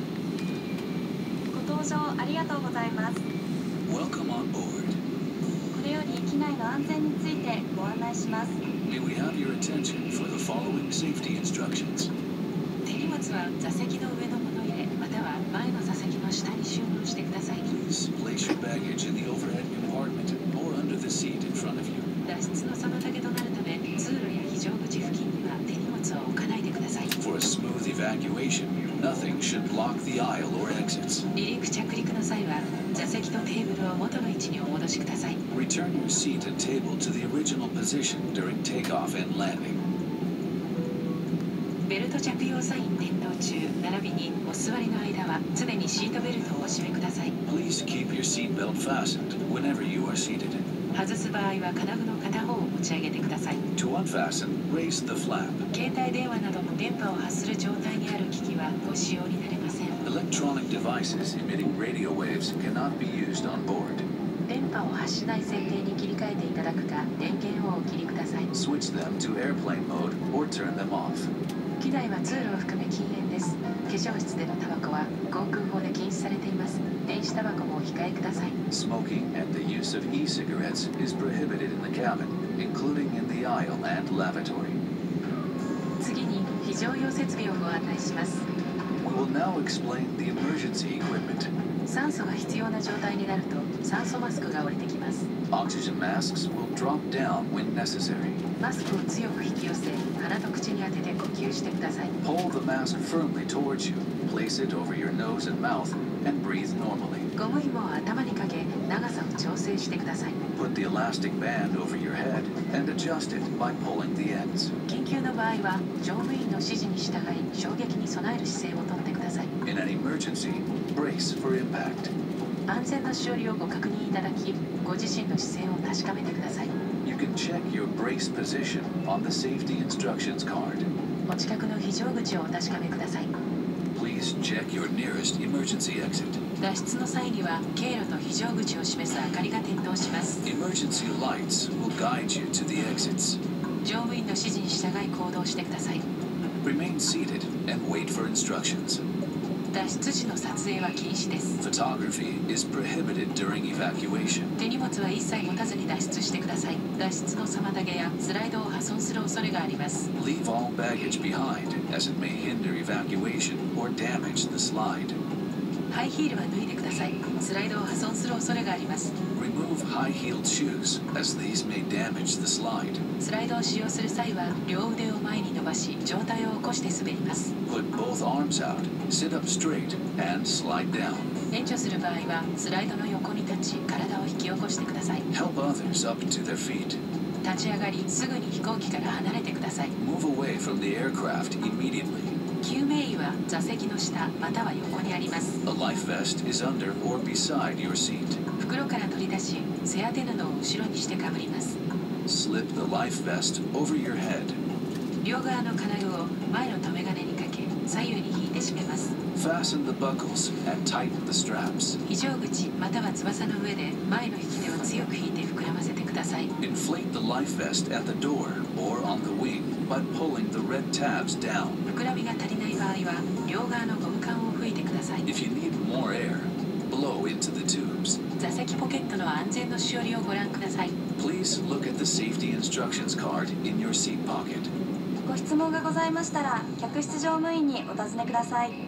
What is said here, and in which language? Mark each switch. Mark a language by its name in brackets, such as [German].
[Japanese] ありがとうございます。 [English] Welcome on board. [Japanese] これより機内の安全についてご案内します。 [English] May we have your attention for the following safety instructions. [Japanese] 手荷物は座席の上のもの入れ、または前の座席の下に収納してください。 [English] Please place your baggage in the overhead compartment or under the seat in front of you. [Japanese] 脱出の妨げとなるため、通路や非常口付近には手荷物を置かないでください。 [English] For a smooth evacuation. Nothing should block the aisle or exits. [Japanese] 離陸着陸の際は、座席とテーブルを元の位置にお戻しください。 [English] Return your seat and table to the original position during takeoff and landing. [Japanese] ベルト着用サイン点灯中、並びにお座りの間は常にシートベルトをお締めください。 [English] Please keep your seat belt fastened whenever you are seated. [Japanese] 外す場合は金具の片方を持ち上げてください。 [English] To unfasten, raise the flap. [Japanese] 携帯電話などの電波を発する状態にある機器はご使用になれません。 [English] Electronic devices emitting radio waves cannot be used on board. [Japanese] 電波を発しない設定に切り替えていただくか、電源をお切りください。 [English] Switch them to airplane mode or turn them off. [Japanese] 機内は通路を含め禁煙です。化粧室でのタバコは航空法で禁止されています。電子タバコもお控えください。 [English] Smoking and the use of e-cigarettes is prohibited in the cabin, including in the aisle and lavatory. [Japanese] 次に非常用設備をご案内します。 [English] We will now explain the emergency equipment. [Japanese] 酸素が必要な状態になると酸素マスクが降りてきます。 [English] Oxygen masks will drop down when necessary. [Japanese] マスクを強く引き寄せ、鼻と口に当てて呼吸してください。 [English] Pull the mask firmly towards you. Place it over your nose and mouth. And breathe normally. [Japanese] ゴム紐を頭にかけ、長さを調整してください。 [English] Put the elastic band over your head and adjust it by pulling the ends. [Japanese] 緊急の場合は、乗務員の指示に従い、衝撃に備える姿勢をとってください。 [English] In an emergency, brace for impact. [Japanese] 安全の処理をご確認いただき、ご自身の姿勢を確かめてください。 [English] You can check your brace position on the safety instructions card. [Japanese] お近くの非常口をお確かめください。 [English] Please check your nearest emergency exit. [Japanese] 脱出の際には経路と非常口を示す明かりが点灯します。 [English] Emergency lights will guide you to the exits. [Japanese] 乗務員の指示に従い行動してください。 [English] Remain seated and wait for instructions. [Japanese] 脱出時の撮影は禁止です。 [English] Photography is prohibited during evacuation. [Japanese] 手荷物は一切持たずに脱出してください。脱出の妨げやスライドを破損する恐れがあります。 [English] Leave all baggage behind, as it may hinder evacuation or damage the slide. [Japanese] ハイヒールは脱いでください。スライドを破損する恐れがあります。 [English] Remove high-heeled shoes, as these may damage the slide. [Japanese] スライドを使用する際は、両腕を前に伸ばし、上体を起こして滑ります。 [English] Put both arms out, sit up straight, and slide down. [Japanese] 援助する場合は、スライドの横に立ち、体を引き起こしてください。 [English] Help others up to their feet. [Japanese] 立ち上がり、すぐに飛行機から離れてください。 [English] Move away from the aircraft immediately. [Japanese] 救命衣は座席の下または横にあります。 [English] A life vest is under or beside your seat. [Japanese] 袋から取り出し、背当て布を後ろにしてかぶります。 [English] Slip the life vest over your head. [Japanese] 両側の金具を前の留め金にかけ、左右に引いて締めます。 [English] Fasten the buckles and tighten the straps. [Japanese] 非常口または翼の上で前の引き手を強く引いて膨らませてください。 [English] Inflate the life vest at the door or on the wing. By pulling the red tabs down. [Japanese] 膨らみが足りない場合は、両側のゴム管を吹いてください。 [English] If you need more air, blow into the tubes. [Japanese] 座席ポケットの安全のしおりをご覧ください。 [English] Please look at the safety instructions card in your seat pocket. [Japanese] ご質問がございましたら、客室乗務員にお尋ねください。